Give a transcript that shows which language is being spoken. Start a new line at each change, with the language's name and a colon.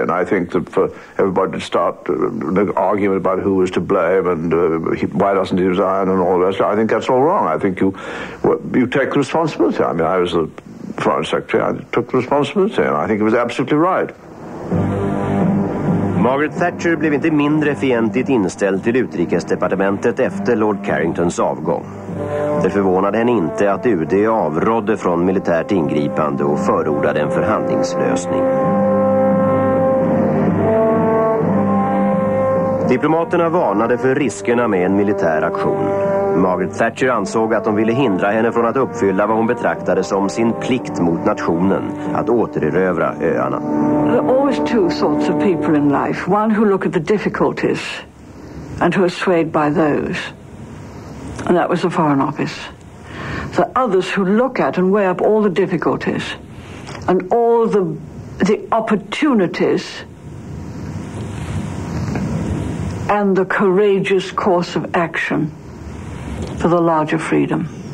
English: And I think that for everybody to start the argument about who was to blame and why doesn't he resign and all that, I think that's all wrong. I think you take the responsibility. I mean, I was the foreign secretary. I took the responsibility, and I think it was absolutely right.
Swedish: Margaret Thatcher blev inte mindre fientligt inställd till utrikesdepartementet efter Lord Carringtons avgång. Det förvånade henne inte att UD avrådde från militärt ingripande och förordade en förhandlingslösning. Diplomaterna varnade för riskerna med en militär aktion. Margaret Thatcher ansåg att de ville hindra henne från att uppfylla vad hon betraktade som sin plikt mot nationen, att återerövra öarna.
English: There are always two sorts of people in life. One who look at the difficulties and who are swayed by those. And that was the Foreign Office. The others who look at and weigh up all the difficulties and all the opportunities and the courageous course of action for the larger freedom.